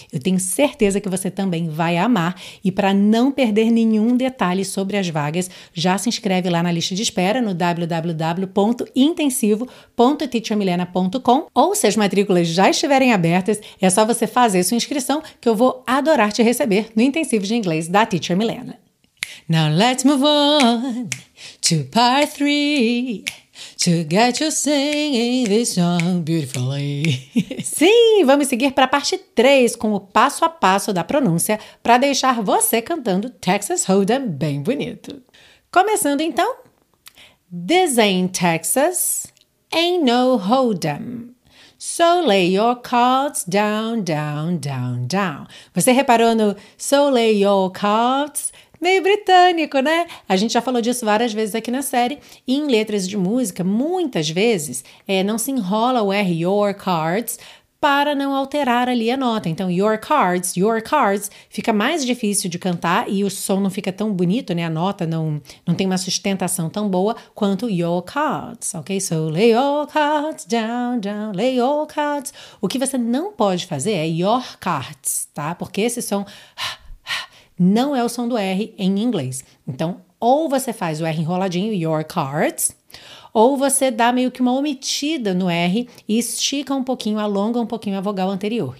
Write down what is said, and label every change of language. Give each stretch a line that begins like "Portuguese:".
Portuguese: Eu tenho certeza que você também vai amar e para não perder nenhum detalhe sobre as vagas, já se inscreve lá na lista de espera no www.intensivo.com. www.teachermilena.com ou se as matrículas já estiverem abertas, é só você fazer sua inscrição que eu vou adorar te receber no Intensivo de Inglês da Teacher Milena.
English: Now let's move on to part 3 to get you singing this song beautifully.
Portuguese: Sim, vamos seguir para a parte 3 com o passo a passo da pronúncia para deixar você cantando Texas Hold'em bem bonito. Começando então,
English: this ain't Texas, ain't no hold'em, so lay your cards down, down, down, down.
Portuguese: Você reparou no
English: so lay your cards?
Portuguese: Meio britânico, né? A gente já falou disso várias vezes aqui na série. E em letras de música, muitas vezes, não se enrola o R, your cards, para não alterar ali a nota. Então,
English: your cards,
Portuguese: fica mais difícil de cantar e o som não fica tão bonito, né? A nota não tem uma sustentação tão boa quanto your cards, ok?
English: So, lay your cards down, down, lay your cards.
Portuguese: O que você não pode fazer é
English: your cards,
Portuguese: tá? Porque esse som não é o som do R em inglês. Então, ou você faz o R enroladinho, your cards, ou você dá meio que uma omitida no R e estica um pouquinho, alonga um pouquinho a vogal anterior.